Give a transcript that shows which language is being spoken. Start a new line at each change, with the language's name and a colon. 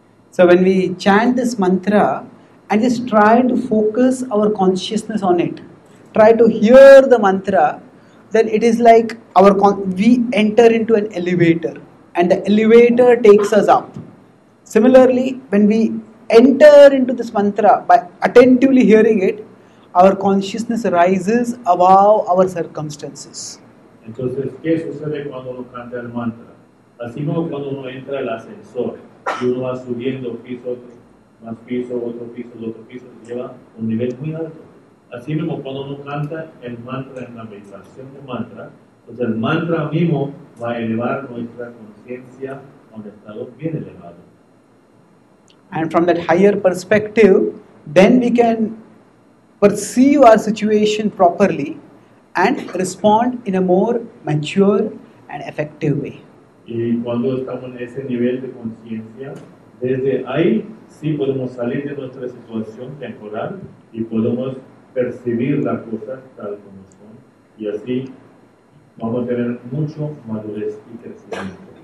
English: So when we chant this mantra and just try to focus our consciousness on it, try to hear the mantra, then it is like our we enter into an elevator and the elevator takes us up. Similarly, when we enter into this mantra by attentively hearing it, our consciousness rises above our circumstances.
Spanish: Entonces, ¿qué sucede cuando uno canta el mantra? Así como cuando uno entra al ascensor y uno va subiendo piso, más piso, otro piso, otro piso, lleva un nivel muy alto. Así mismo cuando uno canta el mantra en la meditación de mantra, pues el mantra mismo va a elevar nuestra conciencia a un estado bien elevado.
English: And from that higher perspective, then we can perceive our situation properly and respond in a more mature and effective way.
Spanish: Y cuando estamos en ese nivel de conciencia, desde ahí sí podemos salir de nuestra situación temporal y podemos percibir las cosas tal como son. Y así vamos a tener mucho madurez y crecimiento.